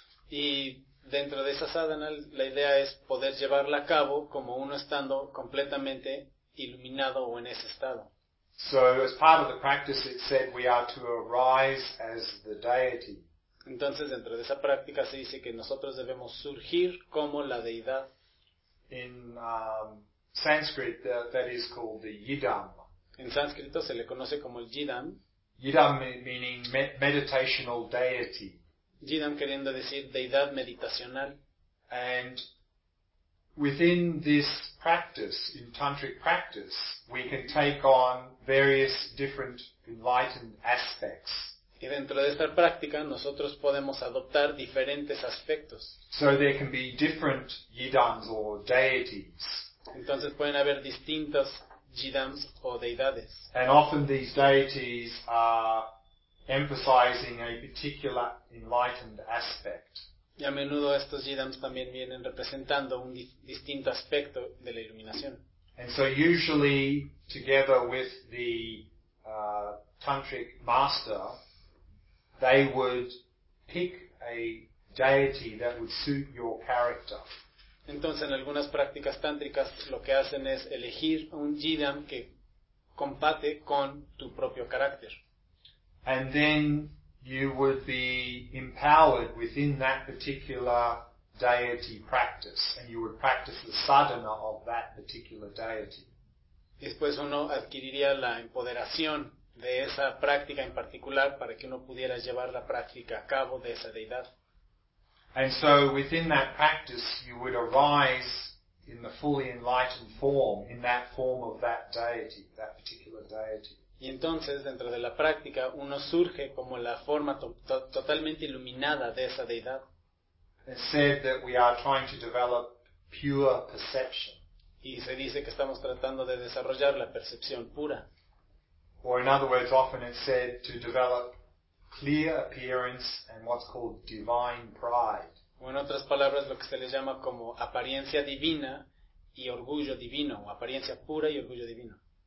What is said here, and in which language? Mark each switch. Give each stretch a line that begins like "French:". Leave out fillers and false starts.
Spanish: Y dentro de esa sadhana, la idea es poder llevarla a cabo como uno estando completamente iluminado o en ese estado.
English: So, as part of the practice, it said we are to arise as the deity.
Spanish: Entonces, dentro de esa práctica se dice que nosotros debemos surgir como la deidad.
English: In Sanskrit, that is called the yidam.
Spanish: En sánscrito se le conoce como el yidam.
English: Yidam meaning meditational deity.
Spanish: Yidam queriendo decir deidad meditacional.
English: And within this practice, in tantric practice, we can take on various different enlightened aspects.
Spanish: Y dentro de esta práctica nosotros podemos adoptar diferentes aspectos.
English: So there can be different yidams or deities.
Spanish: Entonces pueden haber distintos yidams o deidades.
English: And often these deities are emphasizing a particular enlightened aspect.
Spanish: Y a menudo estos yidams también vienen representando un distinto aspecto de la iluminación.
English: And so usually, together with the tantric master, they would pick a deity that would suit your character.
Spanish: Entonces, en algunas prácticas tántricas, lo que hacen es elegir un yidam que compate con tu propio carácter.
English: And then you would be empowered within that particular deity practice, and you would practice the sadhana of that particular deity.
Spanish: Después uno adquiriría la empoderación de esa práctica en particular para que uno pudiera llevar la práctica a cabo de esa deidad.
English: And so within that practice you would arise in the fully enlightened form, in that form of that deity, that particular deity.
Spanish: Y entonces, dentro de la práctica, uno surge como la forma totalmente iluminada de esa deidad.
English: It said that we are trying to develop pure perception.
Spanish: Y se dice que estamos tratando de desarrollar la percepción pura.
English: Or in other words, often it's said to develop clear appearance and what's called divine pride.
Spanish: O en otras palabras, lo que se le llama como apariencia divina y orgullo divino, o apariencia pura y orgullo divino.